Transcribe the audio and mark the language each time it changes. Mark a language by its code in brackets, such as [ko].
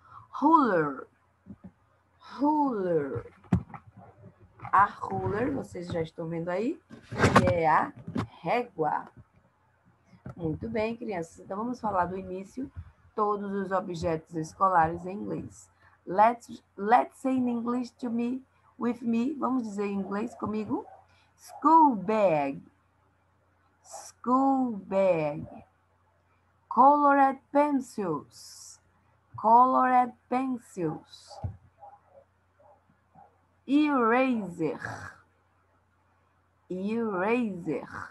[en] Ruler. Ruler. A ruler, [pt] vocês já estão vendo aí, é a régua. Muito bem, crianças. Então, vamos falar do início, todos os objetos escolares em inglês. [en] Let's say in English to me, with me. [pt] Vamos dizer em inglês comigo? [en] School bag. School bag. Colored pencils. Colored pencils. Eraser. Eraser.